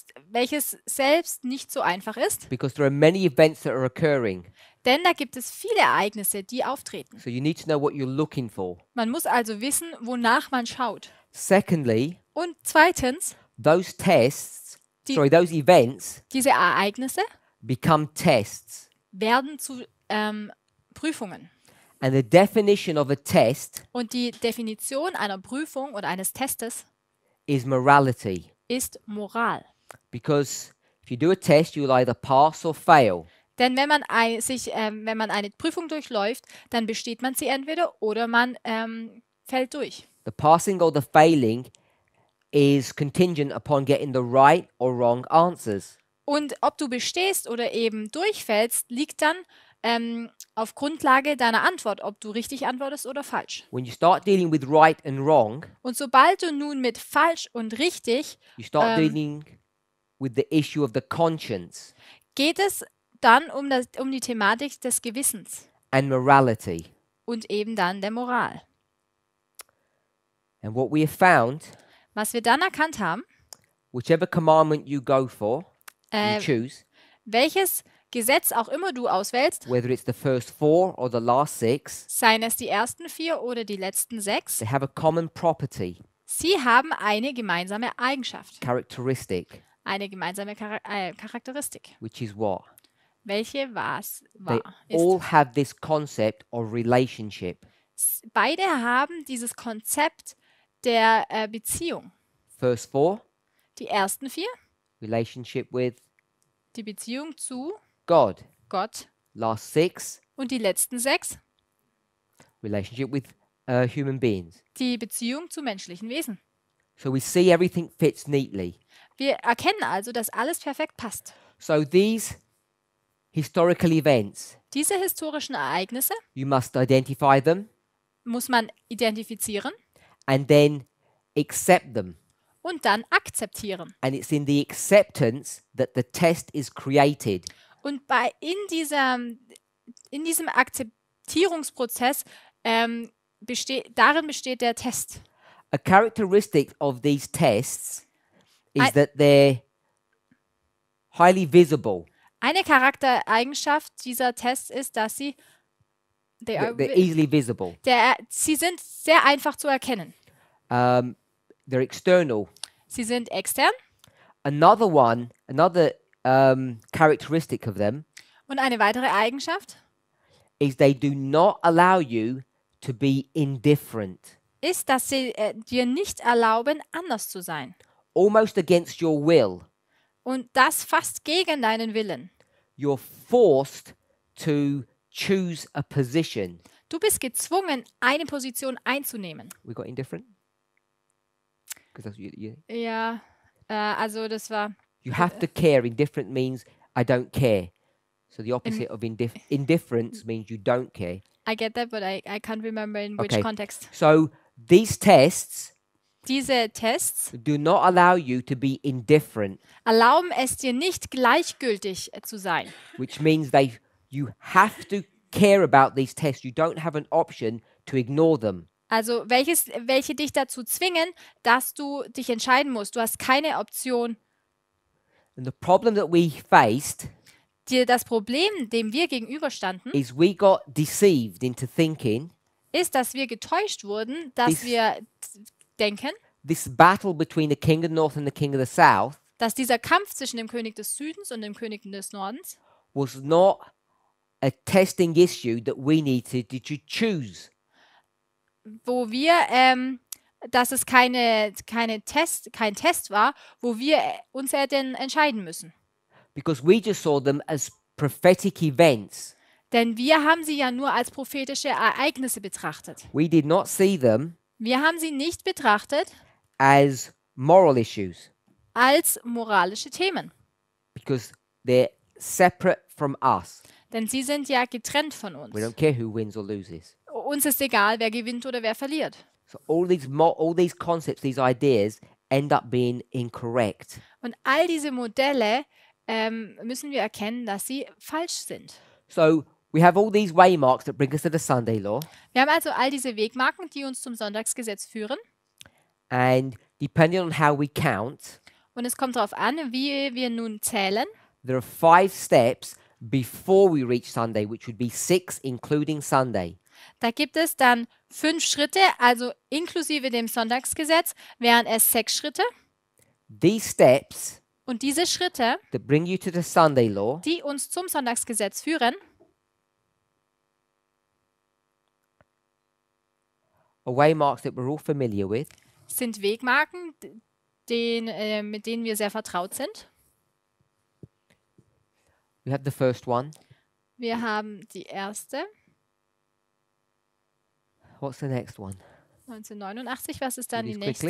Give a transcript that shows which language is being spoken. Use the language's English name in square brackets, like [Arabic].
[German] Welches selbst nicht so einfach ist. [English] Because there are many events that are occurring. [German] Denn da gibt es viele Ereignisse, die auftreten. [English] So you need to know what you're looking for. [German] Man muss also wissen, wonach man schaut. [English] Secondly. [German] Und zweitens. [English] Those tests. Those events, [German] diese Ereignisse, [English] become tests, [German] werden zu Prüfungen. [English] And the definition of a test, [German] und die Definition einer Prüfung oder eines Testes, [English] is morality, [German] ist Moral. [English] Because if you do a test, you'll either pass or fail. [German] Denn wenn man eine Prüfung durchläuft, dann besteht man sie entweder oder man fällt durch. [English] The passing or the failing is contingent upon getting the right or wrong answers. [German] Und ob du bestehst oder eben durchfällst, liegt dann auf Grundlage deiner Antwort, ob du richtig antwortest oder falsch. [English] When you start dealing with right and wrong, [German] und sobald du nun mit falsch und richtig, [English] you start dealing with the issue of the conscience, [German] geht es dann um die Thematik des Gewissens [English] and morality, [German] und eben dann der Moral. [English] And what we have found, [German] was wir dann erkannt haben, [English] whichever commandment you go for, you choose, [German] welches Gesetz auch immer du auswählst, [English] whether it's the first four or the last six, [German] seien es die ersten vier oder die letzten sechs, [English] they have a common property, [German] sie haben eine gemeinsame Eigenschaft, [English] characteristic, [German] eine gemeinsame Charakteristik, [English] which is what? [German] Welche was war, they ist. [English] All have this concept of relationship. [German] Beide haben dieses Konzept der Beziehung. [English] First four, [German] die ersten vier. [English] Relationship with, [German] die Beziehung zu [English] God. [German] Gott. [English] Last six, [German] und die letzten sechs. [English] Relationship with human beings. [German] Die Beziehung zu menschlichen Wesen. [English] So we see everything fits neatly. [German] Wir erkennen also, dass alles perfekt passt. [English] So these historical events, [German] diese historischen Ereignisse, [English] you must identify them, [German] muss man identifizieren. [English] And then accept them. [German] Und dann akzeptieren. [English] And it's in the acceptance that the test is created. [German] Und in diesem Akzeptierungsprozess besteht der Test. [English] A characteristic of these tests is that they're highly visible. [German] Eine Charaktereigenschaft dieser Tests ist, dass sie [English] they're easily visible. [German] Sie sind sehr einfach zu erkennen. [English] They're external. [German] Sie sind extern. [English] Another characteristic of them. [German] Und eine weitere Eigenschaft [English] is they do not allow you to be indifferent. [German] Ist, dass sie dir nicht erlauben, anders zu sein. [English] Almost against your will. [German] Und das fast gegen deinen Willen. [English] You're forced to choose a position. [German] Du bist gezwungen, eine Position einzunehmen. [English] We got indifferent. [German] Also das war. [English] You have to care. Indifferent means I don't care. So the opposite of indifference means you don't care. I get that, but I can't remember in which context. So these tests. [German] Diese Tests. [English] Do not allow you to be indifferent. [German] Erlauben es dir nicht, gleichgültig zu sein. [English] Which means you have to care about these tests. You don't have an option to ignore them. [German] Also welche dich dazu zwingen, dass du dich entscheiden musst. Du hast keine Option. [English] And the problem that we faced, [German] das Problem, dem wir gegenüberstanden, [English] is we got deceived into thinking, [German] ist, dass wir getäuscht wurden, dass wir denken, [English] this battle between the king of the north and the king of the south, [German] dass dieser Kampf zwischen dem König des Südens und dem König des Nordens, [English] was not a testing issue that we needed to choose. [German] Wo wir, dass es kein Test war, wo wir uns hätten entscheiden müssen. [English] Because we just saw them as prophetic events. [German] Denn wir haben sie ja nur als prophetische Ereignisse betrachtet. [English] We did not see them. [German] Wir haben sie nicht betrachtet [English] as moral issues. [German] Als moralische Themen. [English] Because they're separate from us. [German] Denn sie sind ja getrennt von uns. [English] We don't care who wins or loses. [German] Uns ist egal, wer gewinnt oder wer verliert. [English] So all these concepts, these ideas end up being incorrect. [German] Und all diese Modelle müssen wir erkennen, dass sie falsch sind. [English] So we have all these waymarks that bring us to the Sunday law. [German] Wir haben also all diese Wegmarken, die uns zum Sonntagsgesetz führen. [English] And depending on how we count. [German] Und es kommt darauf an, wie wir nun zählen. [English] There are 5 steps before we reach Sunday, which would be 6 including Sunday. [German] Da gibt es dann 5 Schritte, also inklusive dem Sonntagsgesetz, wären es 6 Schritte. [English] These steps. [German] Und diese Schritte, [English] that bring you to the Sunday law, [German] die uns zum Sonntagsgesetz führen, [English] are waymarks that we're all familiar with, [German] sind Wegmarken, mit denen wir sehr vertraut sind. [English] We have the first one. [German] Wir haben die erste. [English] What's the next one? [German] 1989, was ist dann die nächste?